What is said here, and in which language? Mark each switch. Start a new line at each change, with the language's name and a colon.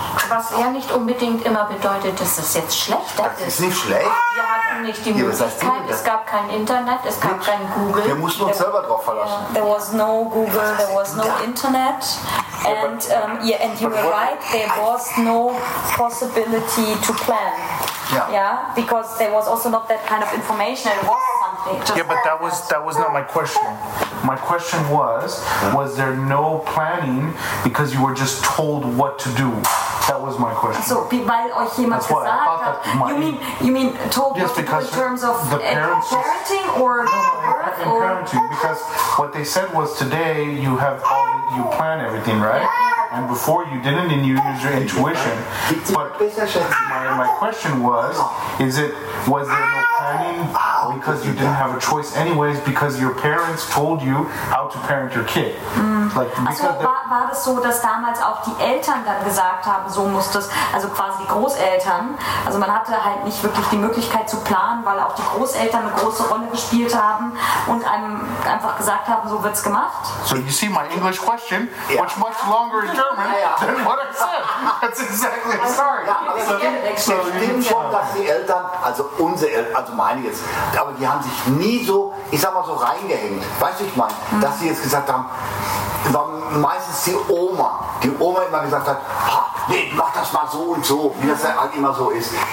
German: Was ja nicht unbedingt immer bedeutet, dass das jetzt schlechter ist. Das ist nicht schlecht. Wir hatten nicht die Möglichkeit, es gab kein Internet, es gab kein Google. Wir mussten uns selber drauf verlassen. Yeah.
English: There was no Google, there was no Internet. And, yeah, and you were right, there was no possibility to plan. Yeah. Yeah, because there was also not that kind of information, it was something. Yeah, but that was not my question. My question was there no planning because you were just told what to do? That was my question.
German: So, weil euch jemand gesagt hat,
English: you mean told yes, what to do in terms of the parents parenting or no, birth or parenting? Because what they said was today you have all the, you plan everything, right? And before you didn't, and you used your intuition. But my question was, was there no planning because you didn't have a choice anyways because your parents told you how to parent your kid?
German: War das so, dass damals auch die Eltern dann gesagt haben, so muss das, also quasi die Großeltern, also man hatte halt nicht wirklich die Möglichkeit zu planen, weil auch die Großeltern eine große Rolle gespielt haben und einem einfach gesagt haben, so wird's gemacht?
English: So you see my English question, which much longer in German than what I said. That's exactly it. Sorry.
German: Ja, aber so stimmt schon, dass die Eltern, also unsere Eltern, also meine jetzt, aber die haben sich nie so, ich sag mal so reingehängt, weißt du, ich meine, dass sie jetzt gesagt haben, war meistens die Oma immer gesagt hat, nee, mach das mal so und so, wie das halt immer so ist.